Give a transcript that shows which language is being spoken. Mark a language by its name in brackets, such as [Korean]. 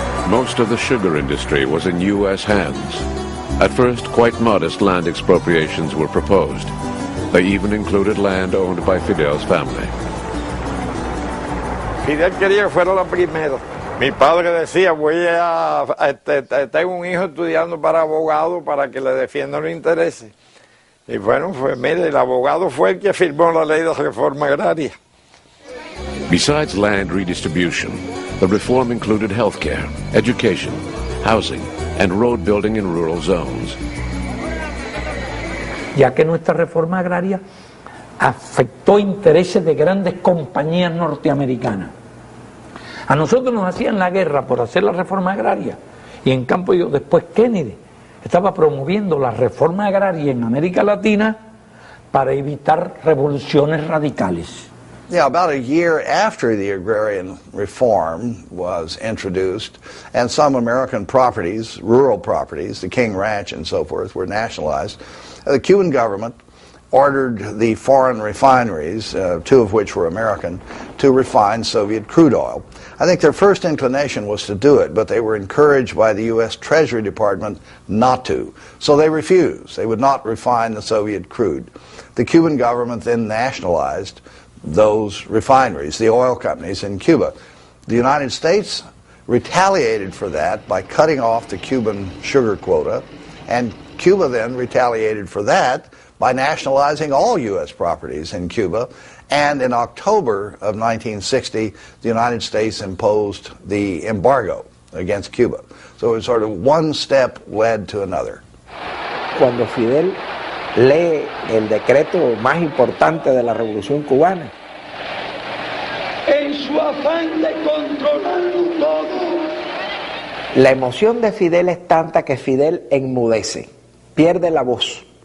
[English] Most of the sugar industry was in U.S. hands. At first, quite modest land expropriations were proposed. They even included land owned by Fidel's family. [Spanish] Fidel quería que fuera la primera. Mi padre decía, voy a tengo un hijo estudiando para abogado para que le defienda los intereses. Y bueno, fue, mire, el abogado fue el que firmó la ley de reforma agraria. [English] Besides land redistribution, the reform included health care, education, housing, and road building in rural zones. [Spanish] Ya que nuestra reforma agraria afectó intereses de grandes compañías norteamericanas. A nosotros nos hacían la guerra por hacer la reforma agraria, y en cambio yo después Kennedy estaba promoviendo la reforma agraria en América Latina para evitar revoluciones radicales. [English] Yeah, about a year after the agrarian reform was introduced, and some American properties, rural properties, the King Ranch and so forth, were nationalized, the Cuban government ordered the foreign refineries, two of which were American, to refine Soviet crude oil. I think their first inclination was to do it, but they were encouraged by the U.S. Treasury Department not to. So they refused. They would not refine the Soviet crude. The Cuban government then nationalized those refineries, the oil companies in Cuba. The United States retaliated for that by cutting off the Cuban sugar quota, and Cuba then retaliated for that by nationalizing all U.S. properties in Cuba. And in October of 1960, the United States imposed the embargo against Cuba. So it was sort of one step led to another. [Spanish] Cuando Fidel lee el decreto más importante de la Revolución Cubana, en su afán de controlarlo todo, la emoción de Fidel es tanta que Fidel enmudece, pierde la voz.